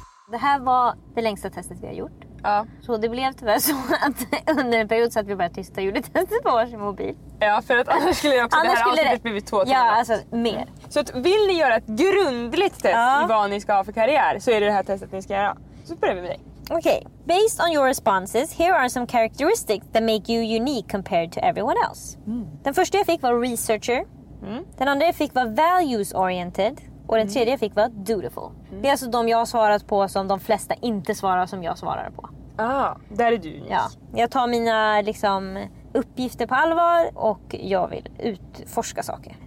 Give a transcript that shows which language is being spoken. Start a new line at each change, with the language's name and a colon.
Swedish: Det här var det längsta testet vi har gjort. Ja. Så det blev tyvärr så att under en period så att vi bara tysta gjorde testet på varsin mobil. Ja, för att annars skulle jag också annars det här avsnittet det... blivit 2 timmar. Ja, alltså mer. Så att, vill ni göra ett grundligt test i vad ni ska ha för karriär, så är det här testet ni ska göra. Så börjar vi med dig. Okej. Okay.
English: Based on your responses, here are some characteristics that make you unique compared to everyone else.
Swedish: Den första jag fick var researcher. Den andra jag fick var values oriented. Och den tredje jag fick var dutiful. Det är alltså de jag har svarat på som de flesta inte svarar som jag svarar på. Ah, där är du. Ja, jag tar mina liksom uppgifter på allvar och jag vill utforska saker.